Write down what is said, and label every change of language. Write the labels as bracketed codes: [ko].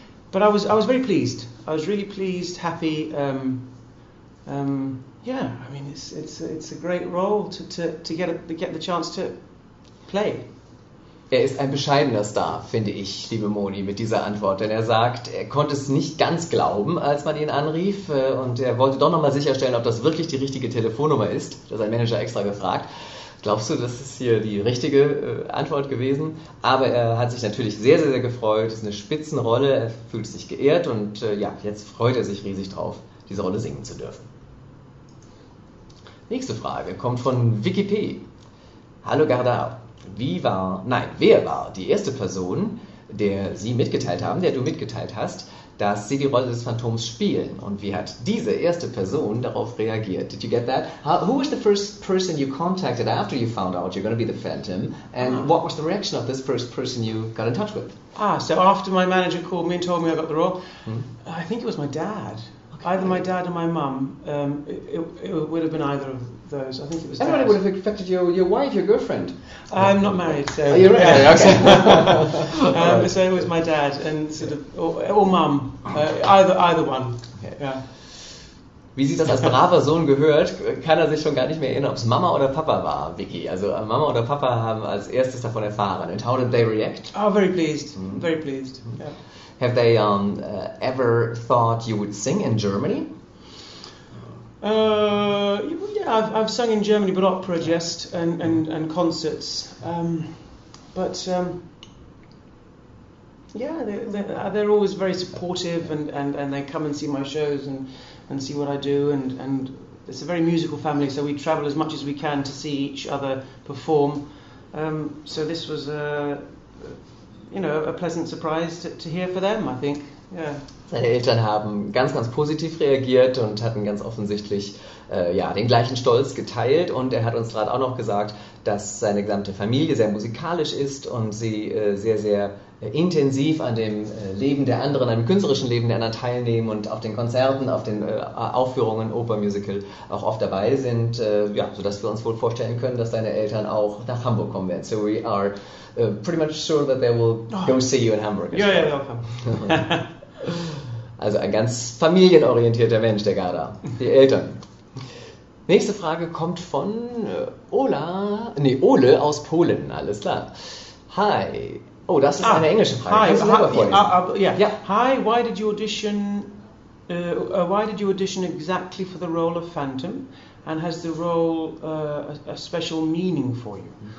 [en] But I was very pleased. I was really pleased, happy. I mean, it's a great role to get the chance to play. [de] Er ist ein bescheidener Star, finde ich, liebe Moni, mit dieser Antwort. Denn er sagt, er konnte es nicht ganz glauben, als man ihn anrief. Und er wollte doch nochmal sicherstellen, ob das wirklich die richtige Telefonnummer ist. Da hat sein Manager extra gefragt. Glaubst du, das ist hier die richtige Antwort gewesen? Aber er hat sich natürlich sehr, sehr, sehr gefreut. Es ist eine Spitzenrolle. Er fühlt sich geehrt. Und ja, jetzt freut er sich riesig drauf, diese Rolle singen zu dürfen. Nächste Frage kommt von Wikipedia. Hallo Garda. Wer war die erste Person, der du mitgeteilt hast, dass sie die Rolle des Phantoms spielen? Und wie hat diese erste Person darauf reagiert? [en] Did you get that? Who was the first person you contacted after you found out you're going to be the Phantom? And what was the reaction of this first person you got in touch with? Ah, so after my manager called me and told me I got the role, I think it was my dad. Either my dad or my mum, it would have been either of those. I think it was dad. Everybody would have expected your wife, your girlfriend. I'm not married, so... Oh, you're right. Okay. Right. So it was my dad and sort of, or mum, either one. Okay. Yeah. [de] Wie sich das als braver Sohn gehört, kann er sich schon gar nicht mehr erinnern, ob es Mama oder Papa war, Vicky. Also Mama oder Papa haben als erstes davon erfahren. [en] And how did they react? Oh, very pleased. Mm-hmm. Very pleased, yeah. Have they ever thought you would sing in Germany? I've sung in Germany, but opera just and concerts. They're always very supportive and they come and see my shows and see what I do and it's a very musical family, so we travel as much as we can to see each other perform. So this was a pleasant surprise to hear for them, I think. Yeah. [de] Seine Eltern haben ganz, ganz positiv reagiert und hatten ganz offensichtlich den gleichen Stolz geteilt. Und er hat uns gerade auch noch gesagt, dass seine gesamte Familie sehr musikalisch ist und sie sehr, sehr intensiv an dem Leben der anderen, an dem künstlerischen Leben der anderen teilnehmen und auf den Konzerten, auf den Aufführungen, Oper, Musical auch oft dabei sind, sodass wir uns wohl vorstellen können, dass deine Eltern auch nach Hamburg kommen werden. So we are pretty much sure that they will go see you in Hamburg. Ja, ja, ja. Also ein ganz familienorientierter Mensch, der Gerda, die Eltern. Nächste Frage kommt von Ole aus Polen, alles klar. Hi. Oh, das ist eine englische Frage. Hi. Kannst du selber vorlesen? [en] Hi, why did you audition exactly for the role of Phantom? And has the role a special meaning for you?